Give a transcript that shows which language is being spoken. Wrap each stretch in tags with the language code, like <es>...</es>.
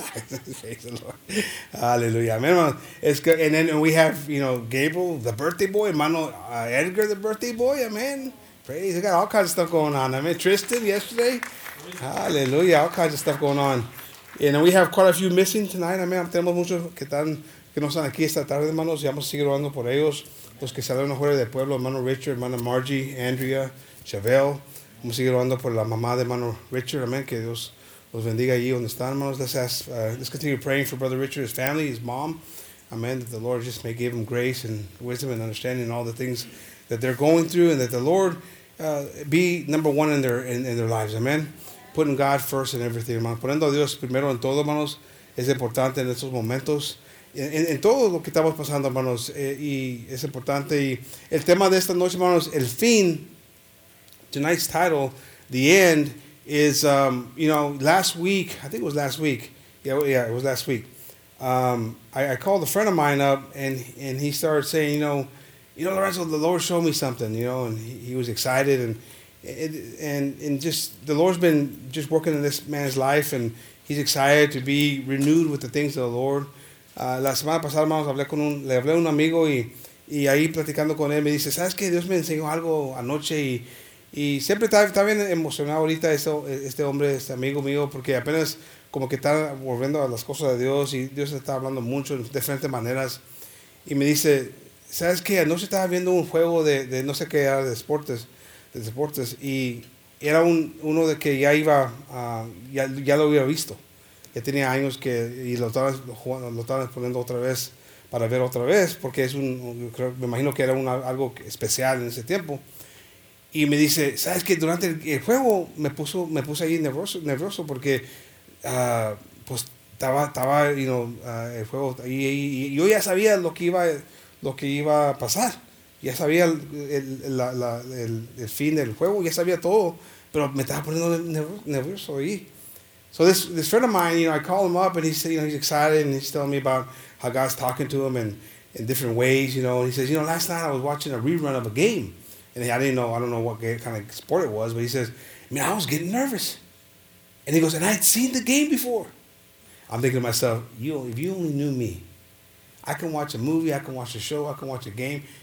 <en>Praise the Lord. Hallelujah. Amen. It's good. And then we have, you know, Gabriel, the birthday boy. Mano Edgar, the birthday boy. Amen. Praise. We got all kinds of stuff going on. I mean, Tristan yesterday. Hallelujah. All kinds of stuff going on. And we have quite a few missing tonight. Amen.</en> <es>Tenemos muchos que no están aquí esta tarde, hermanos. Y vamos a seguir orando por ellos. Los que salieron afuera del pueblo, hermano Richard, hermana Margie, Andrea, Chavelle. Vamos a seguir orando por la mamá de hermano Richard. Amen. Que Dios los bendiga allí donde están, hermanos.</es> <en>Let's continue praying for brother Richard, his family, his mom. Amen. That the Lord just may give him grace and wisdom and understanding and all the things that they're going through, and that the Lord be number one in their lives. Amen. Putting God first in everything,</en> <es>hermanos. Poniendo a Dios primero en todo, hermanos, es importante en estos momentos. En todo lo que estamos pasando, hermanos, y es importante. Y el tema de esta noche, hermanos, el fin,</es> <en>tonight's title, the end, is, you know, last week, I think it was last week. Yeah, it was last week. I called a friend of mine up, and he started saying, you know, Lorenzo, the Lord showed me something, you know, and he was excited, and just the Lord's been just working in this man's life, and he's excited to be renewed with the things of the Lord.</en> <es>La semana pasada, hermanos, le hablé a un amigo y ahí platicando con él me dice, ¿sabes qué? Dios me enseñó algo anoche y siempre está bien emocionado ahorita este hombre, este amigo mío, porque apenas como que está volviendo a las cosas de Dios y Dios está hablando mucho en diferentes maneras. Y me dice, ¿sabes qué? Anoche estaba viendo un juego de no sé qué era, de deportes, y era uno de que ya iba, ya lo había visto. Ya tenía años que, y lo estaban poniendo otra vez para ver otra vez, porque es un, creo, me imagino que era algo especial en ese tiempo. Y me dice, ¿sabes qué? Durante el juego me puse ahí nervioso porque pues estaba,</es> <en>you know,</en> <es>el juego ahí, y yo ya sabía lo que iba a pasar. Ya sabía el fin del juego, ya sabía todo, pero me estaba poniendo nervioso ahí.</es> <en>So this friend of mine, you know, I call him up and he said, you know, he's excited and he's telling me about how God's talking to him in different ways, you know. And he says, you know, last night I was watching a rerun of a game. And I don't know what game, kind of sport it was, but he says, man, I was getting nervous. And he goes, and I had seen the game before. I'm thinking to myself, if you only knew me, I can watch a movie, I can watch a show, I can watch a game.</en>